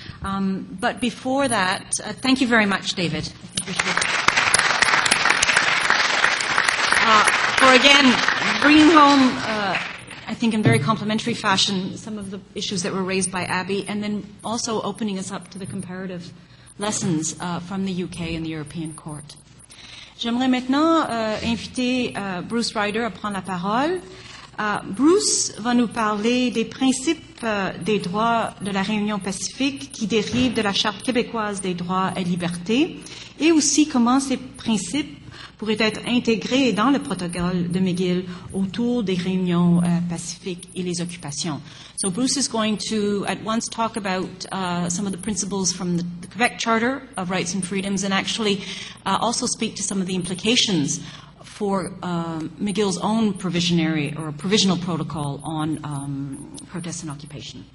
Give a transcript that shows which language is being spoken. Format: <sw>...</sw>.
<en>But before that, thank you very much, David, for again bringing home, I think in very complimentary fashion, some of the issues that were raised by Abby, and then also opening us up to the comparative lessons from the UK and the European Court.</en> <fr>J'aimerais maintenant inviter Bruce Ryder à prendre la parole. Bruce va nous parler des principes des droits de la Réunion Pacifique qui dérivent de la Charte québécoise des droits et libertés et aussi comment ces principes pourraient être intégrés dans le protocole de McGill autour des réunions pacifiques et les occupations.</fr> <en>So Bruce is going to at once talk about some of the principles from the Quebec Charter of Rights and Freedoms and actually also speak to some of the implications for McGill's own provisional protocol on protests and occupation.</en>